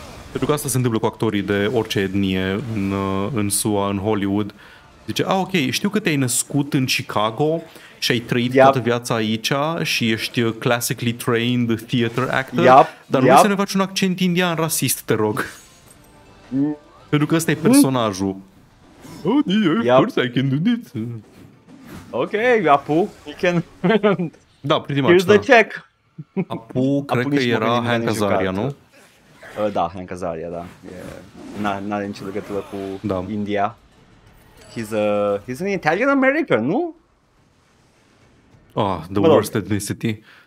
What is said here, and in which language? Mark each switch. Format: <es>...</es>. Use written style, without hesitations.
<ro>Pentru că asta se întâmplă cu actorii de orice etnie în SUA, în Hollywood. Zice, a, ok, știu că te-ai născut în Chicago și ai trăit toată viața aici și ești</ro> <en>classically trained theater actor,</en> <ro>dar nu să ne faci un accent indian rasist, te rog. Pentru că ăsta e personajul.</ro> <en>Oh, dear, of course I can do this. Ok, Apu, you can... Da, pretty much, here's the check.</en> <ro>Apu, cred că era Hank Azaria, nu? Da, Hank Azaria, da. N-are nicio legătură cu India.</ro> <en>He's an Italian American, nu? Ah, oh, the worst ethnicity.</en>